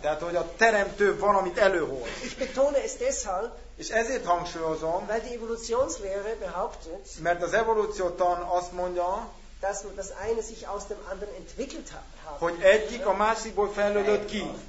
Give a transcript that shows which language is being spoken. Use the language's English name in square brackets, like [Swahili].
[Hungarian] Tehát, hogy a teremtő valamit előhoz. [German] Ich betone es deshalb, [Hungarian] és ezért hangsúlyozom, [German] weil die Evolutionslehre behauptet, [Hungarian] mert az evolúció tan azt mondja, [German] dass das eine sich aus dem anderen entwickelt hat, [Hungarian] hogy egyik a másikból fejlődött ki.